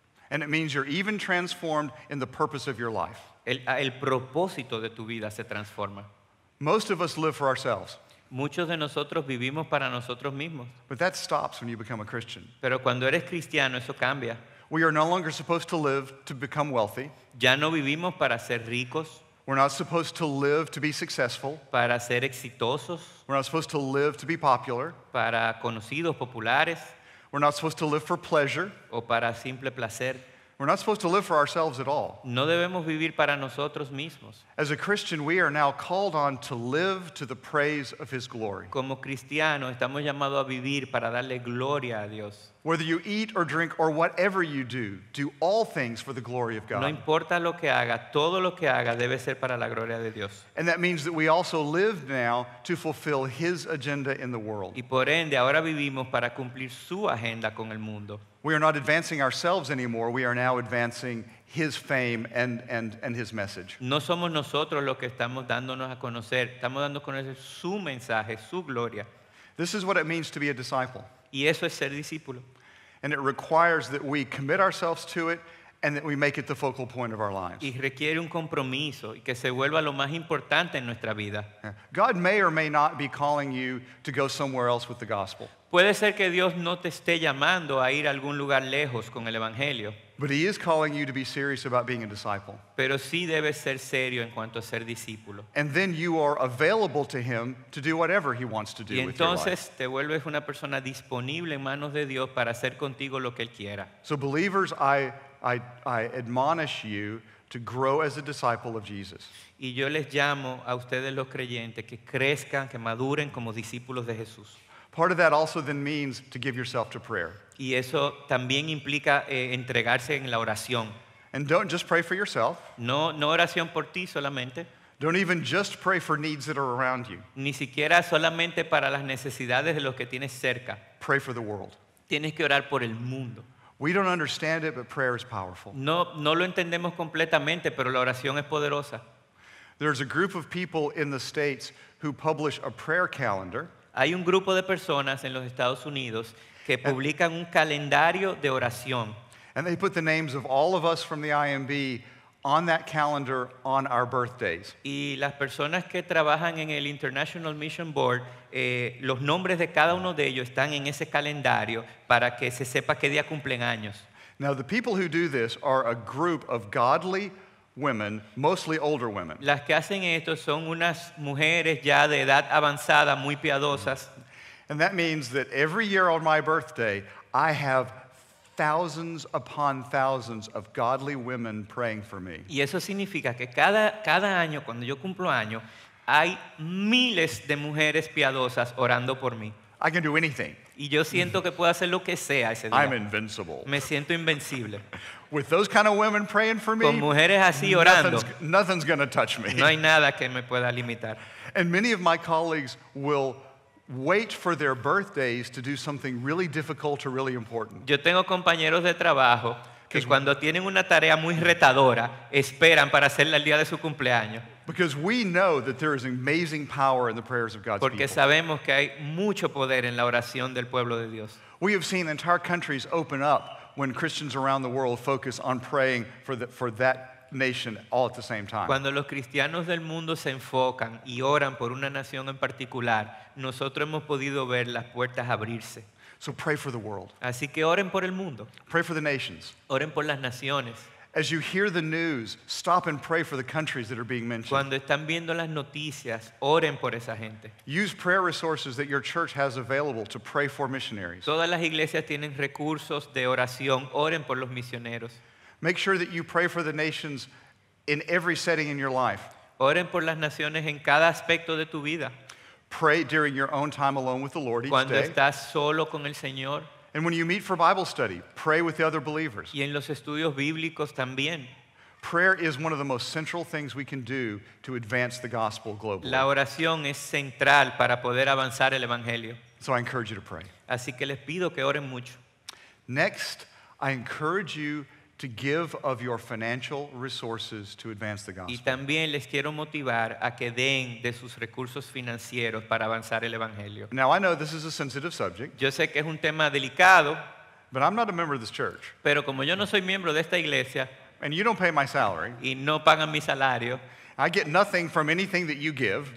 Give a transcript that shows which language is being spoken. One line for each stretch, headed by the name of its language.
English: And it means you're even transformed in the purpose of your life.
Spanish: El propósito de tu vida se transforma.
English: Most of us live for ourselves.
Spanish: Muchos de nosotros vivimos para nosotros mismos.
English: But that stops when you become a Christian.
Spanish: Pero cuando eres cristiano, eso cambia.
English: We are no longer supposed to live to become wealthy.
Spanish: Ya no vivimos para ser ricos.
English: We're not supposed to live to be successful.
Spanish: Para ser exitosos.
English: We're not supposed to live to be popular.
Spanish: Para conocidos, populares.
English: We're not supposed to live for pleasure.
Spanish: O para simple placer.
English: We're not supposed to live for ourselves at all.
Spanish: No debemos vivir para nosotros mismos.
English: As a Christian, we are now called on to live to the praise of His glory.
Spanish: Como cristiano, estamos llamado a vivir para darle gloria a Dios.
English: Whether you eat or drink or whatever you do, do all things for the glory of God.
Spanish: No importa lo que haga, todo lo que haga debe ser para la gloria de Dios.
English: And that means that we also live now to fulfill His agenda in the world.
Spanish: Y por ende, ahora vivimos para cumplir su agenda con el mundo.
English: We are not advancing ourselves anymore. We are now advancing His fame and His message.
Spanish: No somos nosotros los que estamos dándonos a conocer. Estamos dando a conocer su mensaje, su gloria.
English: This is what it means to be a disciple.
Spanish: Y eso es ser discípulo.
English: And it requires that we commit ourselves to it and that we make it the focal point of our lives.
Spanish: Y requiere un compromiso y que se vuelva lo más importante en nuestra vida.
English: God may or may not be calling you to go somewhere else with the gospel.
Spanish: Puede ser que Dios no te esté llamando a ir a algún lugar lejos con el evangelio.
English: But He is calling you to be serious about being a disciple.
Spanish: Pero sí debes ser serio en cuanto a ser discípulo.
English: And then you are available to Him to do whatever He wants to do with your life.
Spanish: Y entonces te vuelves una persona disponible en manos de Dios para hacer contigo lo que Él quiera.
English: So believers, I admonish you to grow as a disciple of Jesus.
Spanish: Y yo les llamo a ustedes los creyentes que crezcan, que maduren como discípulos de Jesús.
English: Part of that also then means to give yourself to prayer.
Spanish: Y eso también implica entregarse en la oración.
English: And don't just pray for yourself.
Spanish: No oración por ti solamente.
English: Don't even just pray for needs that are around you.
Spanish: Ni siquiera solamente para las necesidades de los que tienes cerca.
English: Pray for the world.
Spanish: Tienes que orar por el mundo.
English: We don't understand it, but prayer is powerful.
Spanish: No lo entendemos completamente, pero la oración es poderosa.
English: There's a group of people in the States who publish a prayer calendar.
Spanish: Hay un grupo de personas en los Estados Unidos que publican un calendario de oración.
English: And they put the names of all of us from the IMB on that calendar on our birthdays.
Spanish: Y las personas que trabajan en el International Mission Board, los nombres de cada uno de ellos están en ese calendario para que se sepa qué día cumplen años.
English: Now the people who do this are a group of godly women, mostly older women.
Spanish: Las que hacen esto son unas mujeres ya de edad avanzada, muy piadosas.
English: And that means that every year on my birthday, I have thousands upon thousands of godly women praying for me.
Spanish: Y eso significa que cada año cuando yo cumplo año hay miles de mujeres piadosas orando por mí.
English: I can do anything.
Spanish: Y yo siento que puedo hacer lo que sea ese día.
English: I'm invincible.
Spanish: Me siento invencible.
English: With those kind of women praying for me,
Spanish: con mujeres así orando,
English: nothing's going to touch me.
Spanish: No hay nada que me pueda limitar.
English: And many of my colleagues will wait for their birthdays to do something really difficult or really important.
Spanish: Yo tengo compañeros de trabajo que cuando tienen una tarea muy retadora esperan para hacerla el día de su cumpleaños.
English: Because we know that there is amazing power in the prayers of God's people.
Spanish: Porque sabemos que hay mucho poder en la oración del pueblo de Dios.
English: We have seen entire countries open up when Christians around the world focus on praying for that nation all at the same time.
Spanish: Cuando los cristianos del mundo se enfocan y oran por una nación en particular, nosotros hemos podido ver las puertas abrirse.
English: So pray for the world.
Spanish: Así que oren por el mundo.
English: Pray for the nations.
Spanish: Oren por las naciones.
English: As you hear the news, stop and pray for the countries that are being mentioned.
Spanish: Cuando están viendo las noticias, oren por esa gente.
English: Use prayer resources that your church has available to pray for missionaries.
Spanish: Todas las iglesias tienen recursos de oración. Oren por los misioneros.
English: Make sure that you pray for the nations in every setting in your life.
Spanish: Oren por las naciones en cada aspecto de tu vida.
English: Pray during your own time alone with the Lord each day.
Spanish: Cuando estás solo con el Señor.
English: And when you meet for Bible study, pray with the other believers.
Spanish: Y en los estudios bíblicos también.
English: Prayer is one of the most central things we can do to advance the gospel globally.
Spanish: La oración es central para poder avanzar el evangelio.
English: So I encourage you to pray.
Spanish: Así que les pido que oren mucho.
English: Next, I encourage you to give of your financial resources to advance the gospel.
Spanish: Y también les quiero motivar a que den de sus recursos financieros para avanzar el evangelio.
English: Now I know this is a sensitive subject.
Spanish: Yo sé que es un tema delicado.
English: But I'm not a member of this church.
Spanish: Pero como yo no soy miembro de esta iglesia.
English: And you don't pay my salary.
Spanish: Y no pagan mi salario.
English: I get nothing from anything that you give.